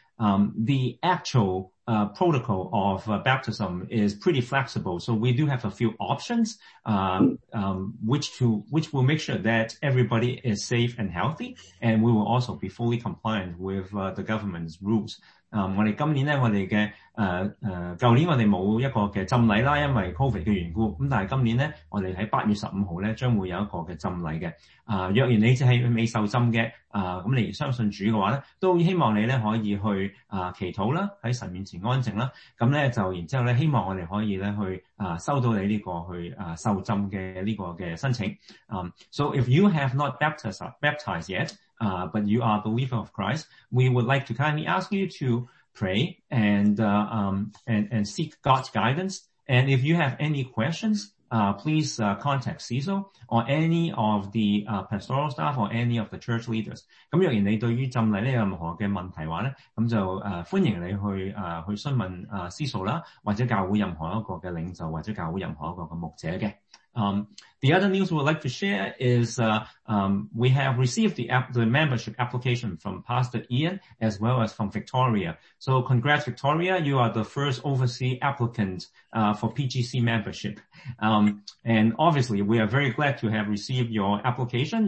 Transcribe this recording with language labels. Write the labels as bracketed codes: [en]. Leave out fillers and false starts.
[en] The actual protocol of baptism is pretty flexible. So we do have a few options, which will make sure that everybody is safe and healthy. And we will also be fully compliant with the government's rules. [yue] 我哋今年咧，我哋嘅舊年我哋冇一個嘅浸禮啦，因為 COVID 嘅緣故。咁但係今年咧，我哋喺8月15日咧，將會有一個嘅浸禮嘅。若然你係未受浸嘅，咁你相信主嘅話咧，都希望你咧可以去祈禱啦，喺神面前安靜啦。咁咧就然之後咧，希望我哋可以咧去收到你呢個去受浸嘅呢個嘅申請。 [en] So if you have not baptized yet. But you are a believer of Christ, we would like to kindly ask you to pray and seek God's guidance. And if you have any questions, please contact Cecil or any of the pastoral staff or any of the church leaders. [yue] 咁若然你對於浸禮咧有任何嘅問題話咧，咁就歡迎你去詢問Cecil啦，或者教會任何一個嘅領袖或者教會任何一個嘅牧者嘅。 [en] The other news we would like to share is we have received the membership application from Pastor Ian as well as from Victoria. So congrats Victoria, you are the first overseas applicant for PGC membership. And obviously we are very glad to have received your application.